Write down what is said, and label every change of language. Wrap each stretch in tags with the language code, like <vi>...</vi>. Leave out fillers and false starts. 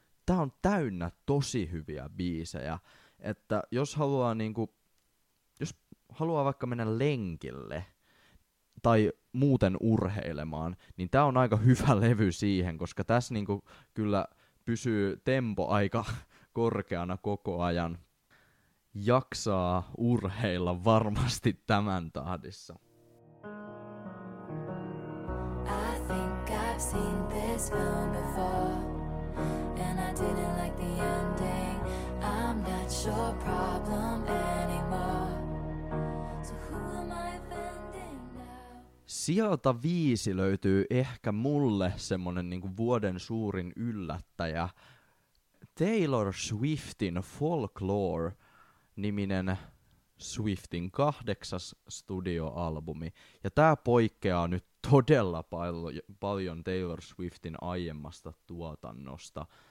<fi>Tää on täynnä tosi hyviä biisejä. Että jos haluaa niinku, jos haluaa vaikka mennä lenkille tai muuten urheilemaan, niin tää on aika hyvä levy siihen, koska tässä niinku kyllä pysyy tempo aika korkeana koko ajan. Jaksaa urheilla varmasti tämän tahdissa.</fi> <en>I think I've seen this film before, and I didn't like the ending. I'm not your problem anymore. So who am I offending now?</en> <fi>Sieltä 5 löytyy ehkä mulle semmonen niinku vuoden suurin yllättäjä. Taylor Swiftin Folklore niminen Swiftin 8. studioalbumi. Ja tää poikkeaa nyt todella paljon Taylor Swiftin aiemmasta tuotannosta.</fi>